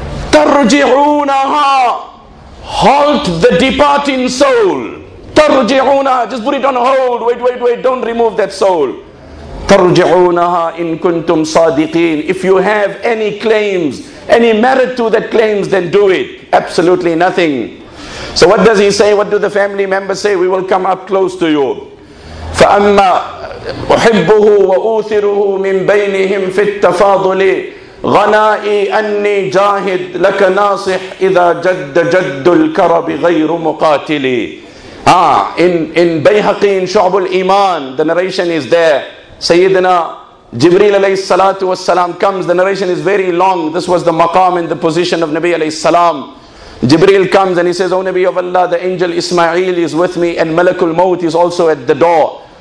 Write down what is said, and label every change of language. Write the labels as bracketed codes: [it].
[ar] تَرْجِعُونَهَا. [en] Halt the departing soul. تَرْجِعُونَهَا. Just put it on hold. Wait. Don't remove that soul. [ar] تَرْجِعُونَهَا إِن كُنْتُمْ صَادِقِينَ. [en] If you have any claims, any merit to that claims, then do it. Absolutely nothing. So what does he say? What do the family members say? We will come up close to you. [ar] فأما أحبه وأوثره من بينهم في التفاضل غنائي أني جاهد لك ناصح إذا جد جد الكرب غير مقاتلي. [en] In Bayhaqi, in Shu'abul Iman, the narration is there. Sayyidina Jibreel alayhi salatu was salam comes. The narration is very long. This was the maqam in the position of Nabi alayhi salam. Jibreel comes and he says, O Nabi of Allah, the angel Ismail is with me and Malakul Maut is also at the door.